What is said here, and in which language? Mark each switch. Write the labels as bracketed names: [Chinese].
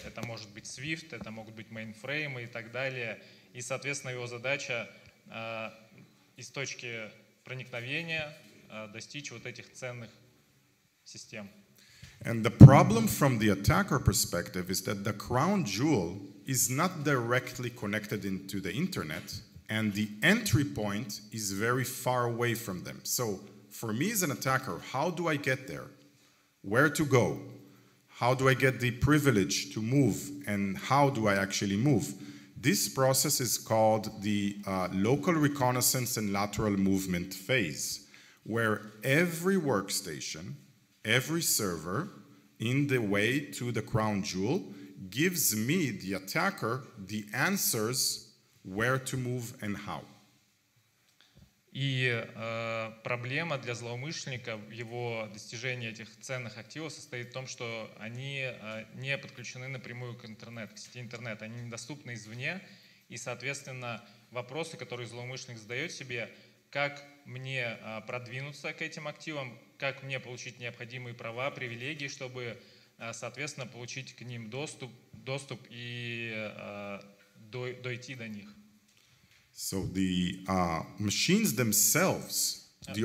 [Russian] Это может быть SWIFT, это могут быть мейнфреймы и так далее. И, соответственно, его задача из точки проникновения достичь вот этих ценных систем. [English] And the problem from the attacker perspective is that the crown jewel is not directly connected into the internet, and the entry point is very far away from them. So for me as an attacker, how do I get there? Where to go? How do I get the privilege to move? And how do I actually move? This process is called the local reconnaissance and lateral movement phase, where every workstation, every server in the way to the crown jewel gives me, the attacker, the answers where to move and how. [Russian] И проблема для злоумышленника в его достижении этих ценных активов состоит в том, что они не подключены напрямую к интернету, к сети интернет. Они недоступны извне, и, соответственно, вопросы, которые злоумышленник задает себе, как мне продвинуться к этим активам, как мне получить необходимые права, привилегии, чтобы, соответственно, получить к ним доступ и дойти до них. [English] So the machines themselves, the